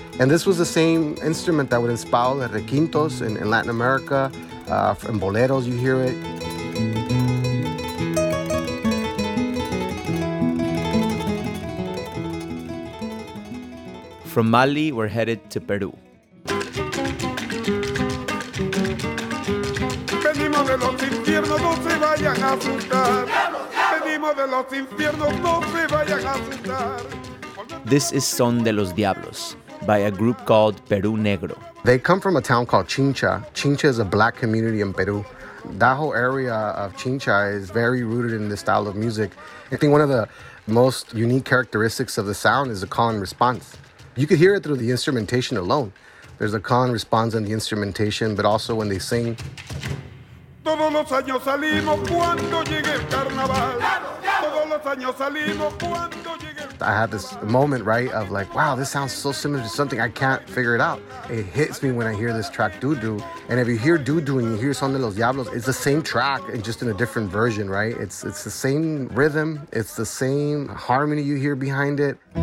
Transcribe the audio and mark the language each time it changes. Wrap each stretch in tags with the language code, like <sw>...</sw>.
<en>And this was the same instrument that would inspire the requintos in Latin America, in boleros you hear it. From Mali, we're headed to Peru.</en> <es>Venimos de los infiernos, no se vayan a asustar. Venimos de los infiernos, no se vayan a asustar.</es> <en>This is Son de los Diablos by a group called Peru Negro. They come from a town called Chincha. Chincha is a black community in Peru. That whole area of Chincha is very rooted in this style of music. I think one of the most unique characteristics of the sound is the call and response. You could hear it through the instrumentation alone. There's a call and response in the instrumentation, but also when they sing.</en> <es>Todos los años salimos cuando llegue el carnaval. Todos los años salimos cuando llegue.</es> <en>I had this moment, right, of like, wow, this sounds so similar to something, I can't figure it out. It hits me when I hear this track, Dudu. And if you hear Dudu and you hear Son de los Diablos, it's the same track and just in a different version, right? It's the same rhythm, it's the same harmony you hear behind it.</en>